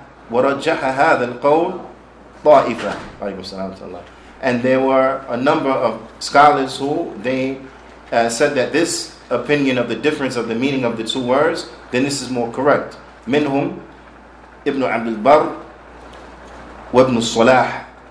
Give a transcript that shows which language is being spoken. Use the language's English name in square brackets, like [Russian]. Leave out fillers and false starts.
[Arabic] ورجح هذا القول طائفة عليه السلام الله. [English] And there were a number of scholars who they said that this opinion of the difference of the meaning of the two words, then this is more correct. [Arabic] منهم ابن عبد البر وابن الصلاح.